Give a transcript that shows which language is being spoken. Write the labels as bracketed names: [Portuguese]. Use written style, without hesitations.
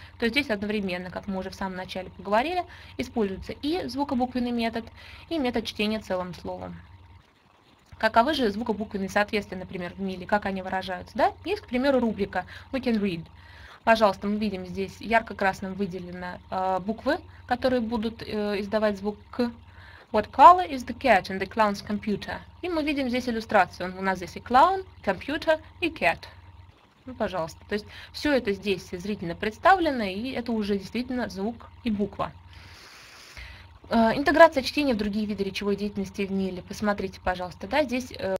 [Russian] То есть здесь одновременно, как мы уже в самом начале поговорили, используется и звукобуквенный метод, и метод чтения целым словом. Каковы же звукобуквенные соответствия, например, в Мили, как они выражаются? Да? Есть, к примеру, рубрика «We can read». Пожалуйста, мы видим здесь ярко-красным выделены буквы, которые будут издавать звук «к». [English] What color is the cat in the clown's computer? [Russian] И мы видим здесь иллюстрацию. У нас здесь и clown, computer, и cat. Ну, пожалуйста. То есть все это здесь зрительно представлено, и это уже действительно звук и буква. Интеграция чтения в другие виды речевой деятельности в Мили. Посмотрите, пожалуйста, да, здесь...